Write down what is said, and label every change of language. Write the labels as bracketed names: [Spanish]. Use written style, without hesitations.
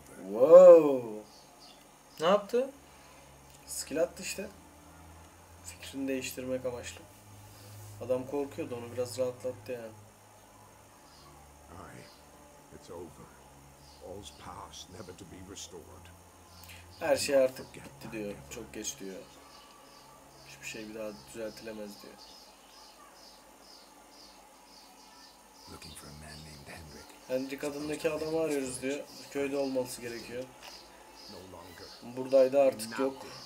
[English] Wow. [Turkish] Ne yaptı? Skill attı işte. Fikrini değiştirmek amaçlı. Adam korkuyordu onu biraz rahatlattı yani. [English] It's over. All's past, never to be restored. [Turkish] Her şey artık bitti diyor. Çok geç diyor. Hiçbir şey bir daha düzeltilemez diyor. [English] Looking for a man named Hendrik. [Turkish] Hendrik adındaki adamı arıyoruz diyor. Köyde olması gerekiyor. Buradaydı artık yok.